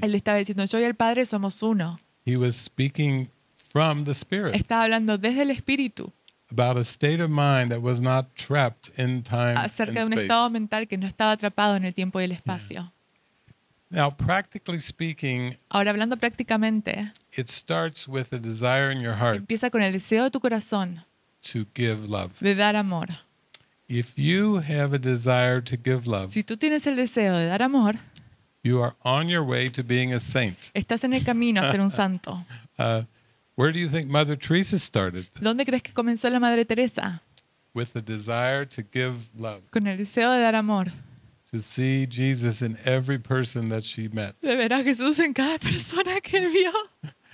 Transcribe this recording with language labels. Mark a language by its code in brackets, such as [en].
[es] Él estaba diciendo, "Yo y el Padre somos uno." [en] He was speaking from the spirit. [es] Estaba hablando desde el espíritu. [en] About a state of mind that was not trapped in time and space. [es] Acerca de un estado mental que no estaba atrapado en el tiempo y el espacio. [en] Now, practically speaking, [es] ahora hablando prácticamente, [en] it starts with a desire in your heart. [es] Empieza con el deseo de tu corazón. [en] To give love. [es] De dar amor. [en] If you have a desire to give love, [es] si tú tienes el deseo de dar amor, [en] you are on your way to being a saint. [es] Estás en el camino a ser un santo. [en] Where do you think Mother Teresa started? [es] ¿Dónde crees que comenzó la Madre Teresa? [en] with the desire to give love. [es] Con el deseo de dar amor. [en] To see Jesus in every person that she met. [es] De ver a Jesús en cada persona que vio.